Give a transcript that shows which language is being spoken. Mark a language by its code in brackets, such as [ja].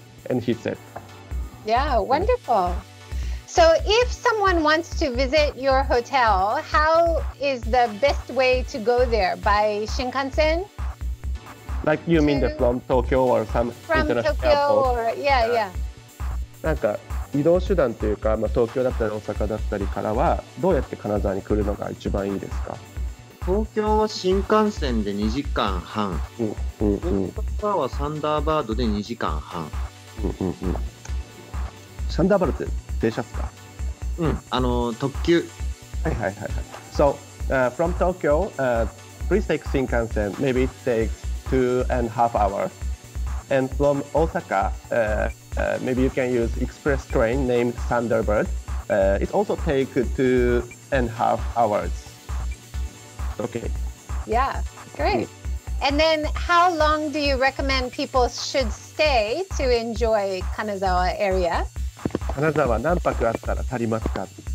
[en] And he said. Yeah, wonderful. Yeah. So if someone wants to visit your hotel, how is the best way to go there? By Shinkansen? Like you mean from Tokyo or some international airport? From Tokyo or, yeah. [ja] なんか移動手段というか、まあ、東京だったり大阪だったりからはどうやって金沢に来るのが一番いいですか？東京は新幹線で2時間半。大阪はサンダーバードで2時間半。サンダーバードって電車ですか？うん、特急。 [en] はいはいはい。So, from Tokyo, please take Shinkansen. Maybe it takes 2.5 hours. And from Osaka, maybe you can use express train named Thunderbird. It also takes 2.5 hours. Okay. Yeah, great. And then how long do you recommend people should stay to enjoy Kanazawa area? [ja] 金沢何泊あったら足りますか？